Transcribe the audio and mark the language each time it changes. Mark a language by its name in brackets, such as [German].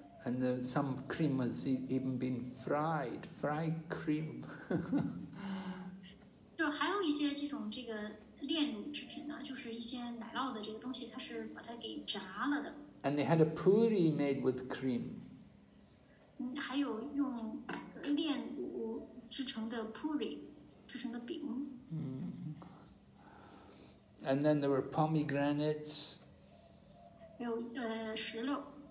[English] And then some cream has even been fried, fried cream. [Chinese] 就还有一些这种这个炼乳制品呢，就是一些奶酪的这个东西，它是把它给炸了的。 [English] And they had a puri made with cream. [Chinese] 还有用炼乳制成的 puri， 制成的饼。 [English] And then there were pomegranates. [Chinese] 还有石榴。